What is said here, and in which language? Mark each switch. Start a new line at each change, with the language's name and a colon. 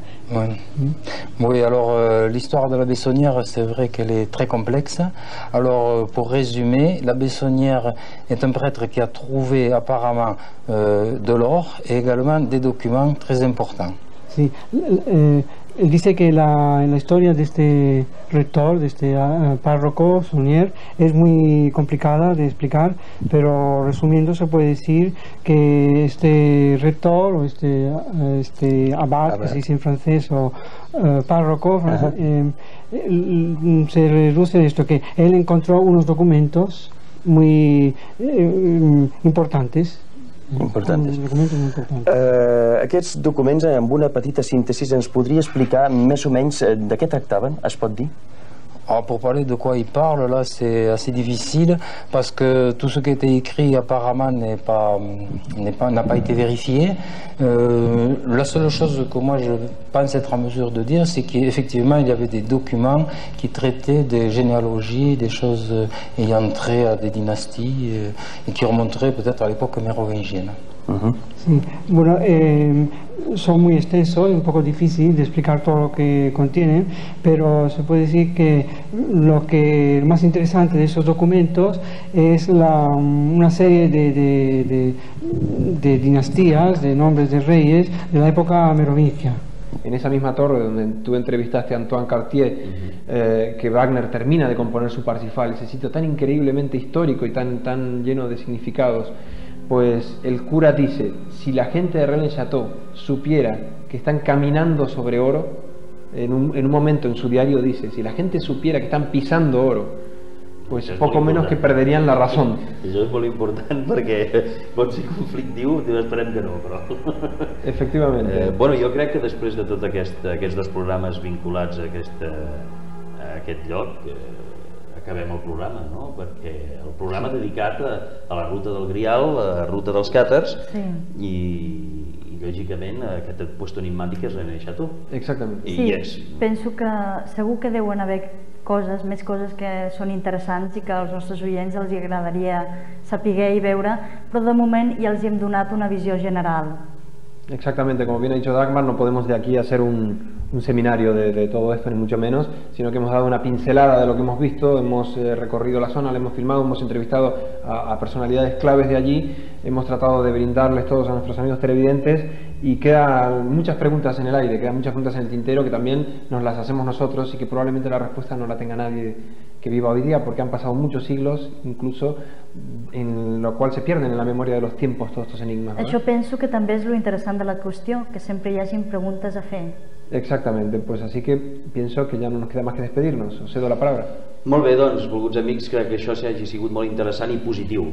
French: Oui, alors l'histoire de la Bessonnière, c'est vrai qu'elle est très complexe. Alors, pour résumer, la Bessonnière est un prêtre qui a trouvé apparemment de l'or et également des documents très importants.
Spanish: Si. Él dice que la historia de este rector, de este párroco, Sonier, es muy complicada de explicar, pero resumiendo se puede decir que este rector, o este abad, que se dice en francés, o párroco, se reduce a esto, que él encontró unos documentos muy importantes, importantes.
Catalan: Aquests documents, amb una petita síntesi, ens podria explicar més o menys de què tractaven, es pot dir?
French: Alors pour parler de quoi il parle, là, c'est assez difficile parce que tout ce qui a été écrit apparemment n'a pas été vérifié. La seule chose que moi je pense être en mesure de dire, c'est qu'effectivement il y avait des documents qui traitaient des généalogies, des choses ayant trait à des dynasties et qui remonteraient peut-être à l'époque mérovingienne.
Spanish: Mm-hmm. Sí, bueno, son muy extensos, es un poco difícil de explicar todo lo que contienen, pero se puede decir que lo que más interesante de esos documentos es una serie de dinastías, de nombres de reyes de la época merovingia. En esa misma torre donde tú entrevistaste a Antoine Cartier, que Wagner termina de componer su Parsifal, ese sitio tan increíblemente histórico y tan lleno de significados, pues el cura dice, si la gente de Rennes-le-Château supiera que están caminando sobre oro, en un momento en su diario dice, si la gente supiera que están pisando oro, pues eso poco menos que perderían la razón. Eso es muy importante porque puede ser conflictivo, esperemos que no, pero... Efectivamente. Bueno, yo creo que después de todos estos dos programas vinculados a este lugar,
Catalan: acabem el programa, no? Perquè el programa dedicat a la ruta del Grial, a la ruta dels càtars, sí. I lògicament aquest puesto enigmàtic és Rennes-le-Château. Exactament. I sí, és. Penso que segur que deuen haver més coses que són interessants i que als nostres oients els agradaria saber i veure, però de moment ja els hem donat una visió general.
Spanish: Exactamente, como bien ha dicho Dagmar, no podemos de aquí hacer un seminario de todo esto, ni mucho menos, sino que hemos dado una pincelada de lo que hemos visto, hemos recorrido la zona, la hemos filmado, hemos entrevistado a personalidades claves de allí, hemos tratado de brindarles todos a nuestros amigos televidentes y quedan muchas preguntas en el aire, quedan muchas preguntas en el tintero que también nos las hacemos nosotros y que probablemente la respuesta no la tenga nadie que viva hoy día, porque han pasado muchos siglos, incluso, en lo cual se pierden en la memoria de los tiempos todos estos enigmas.
Catalan: Això penso que també és lo interessant de la qüestió, que sempre hi hagin preguntes a fer.
Spanish: Exactamente, pues así que pienso que ya no nos queda más que despedirnos. Os cedo la palabra.
Catalan: Molt bé, doncs, volguts amics, crec que això hagi sigut molt interessant i positiu.